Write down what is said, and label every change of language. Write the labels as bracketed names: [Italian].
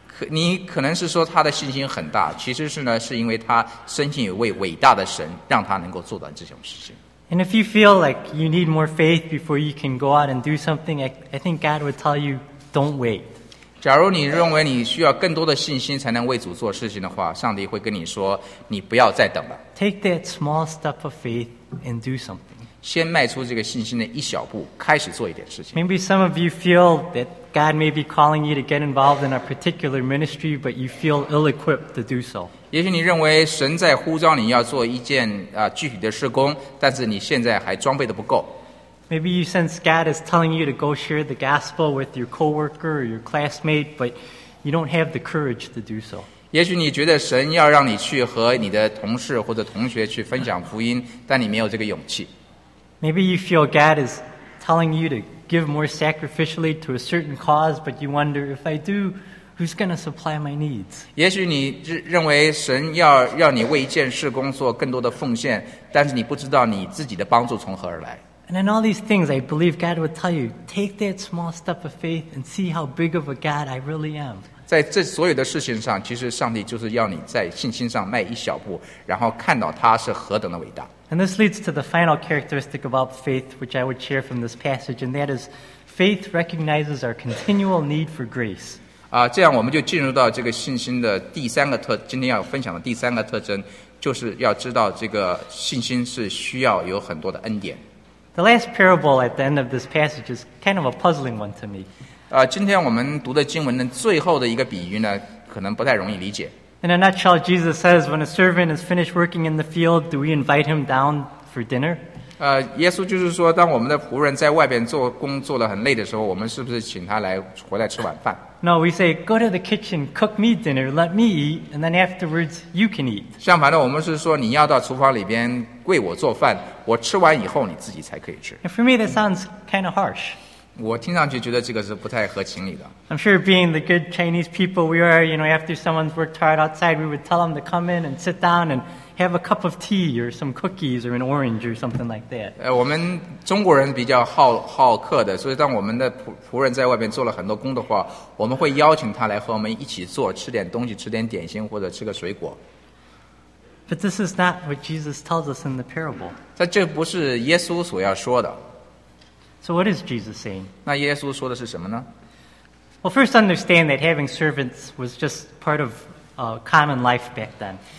[Chinese] 你可能是说他的信心很大，其实是呢，是因为他深信有位伟大的神让他能够做到这种事情。 [English] And if you feel like you need more faith before you can go out and do something, I think God would tell you, don't wait. [Chinese] 假如你认为你需要更多的信心才能为主做事情的话，上帝会跟你说，你不要再等了。 [English] Take that small step of faith and do something. [Chinese] 先迈出这个信心的一小步，开始做一点事情。 [English] Maybe some of you feel that God may be calling you to get involved in a particular ministry, but you feel ill-equipped to do so. [Chinese] 也许你认为神在呼召你要做一件具体的事工，但是你现在还装备的不够。 [English] Maybe you sense God is telling you to go share the gospel with your coworker or your classmate, but you don't have the courage to do so. [Chinese] 也许你觉得神要让你去和你的同事或者同学去分享福音，但你没有这个勇气。 [English] Maybe you feel God is telling you to give more sacrificially to a certain cause, but you wonder if I do. Who's going to supply my needs? [Chinese] 也许你认为神要让你为一件事工作更多的奉献，但是你不知道你自己的帮助从何而来。 [English] And in all these things, I believe God would tell you, take that small step of faith and see how big of a God I really am. [Chinese] 在这所有的事情上，其实上帝就是要你在信心上迈一小步，然后看到他是何等的伟大。 [English] And this leads to the final characteristic about faith, which I would share from this passage, and that is, faith recognizes our continual need for grace. [Chinese] 这样我们就进入到这个信心的第三个今天要分享的第三个特征，就是要知道这个信心是需要有很多的恩典。 [English] The last parable at the end of this passage is kind of a puzzling one to me. [Chinese] 今天我们读的经文的最后的一个比喻呢，可能不太容易理解。 [English] In a nutshell, Jesus says, when a servant is finished working in the field, do we invite him down for dinner? [Chinese] 耶稣就是说，当我们的仆人在外边做工作了很累的时候，我们是不是请他来回来吃晚饭 [English] ？No, we say, go to the kitchen, cook me dinner, let me eat, and then afterwards you can eat. [Chinese] 相反的，我们是说你要到厨房里边为我做饭，我吃完以后你自己才可以吃。 [English] And for me, that sounds kind of harsh. [Chinese] 我听上去觉得这个是不太合情理的。 [English] I'm sure being the good Chinese people we are, you know, after someone's worked hard outside, we would tell them to come in and sit down and. Have a cup of tea or some cookies or an orange or something like that. [Chinese] 我们中国人比较好客的，所以当我们的仆人在外面做了很多工的话，我们会邀请他来和我们一起做，吃点东西，吃点点心或者吃个水果。 [English] But this is not what Jesus tells us in the parable. [Chinese] 这不是耶稣所要说的。 [English] So what is Jesus saying? [Chinese] 那耶稣说的是什么呢 [English] ？Well, first, understand that having servants was just part of common life back then.